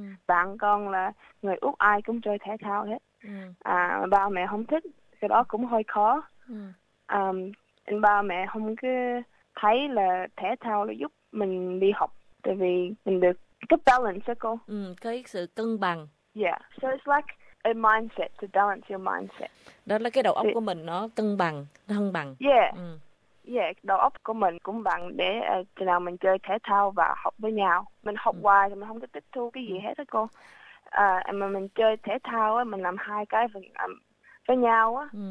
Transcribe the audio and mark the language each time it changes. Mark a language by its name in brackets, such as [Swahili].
[Vietnamese] Bạn con là người Úc ai cũng chơi thể thao hết. Ba mẹ không thích cái đó cũng hơi khó. Ba mẹ không cứ thấy là thể thao nó giúp mình đi học tại vì mình được cái balance đó cô. Cái sự cân bằng. [English] Yeah, so it's like a mindset to balance your mindset. [Vietnamese] Đó là cái đầu óc của mình nó cân bằng, cân bằng. [English] Yeah. [Vietnamese] Đầu óc của mình cũng bằng để khi nào mình chơi thể thao và học với nhau. Mình học hoài thì mình không có tiếp thu cái gì hết á cô. Mà mình chơi thể thao á, mình làm hai cái với nhau á.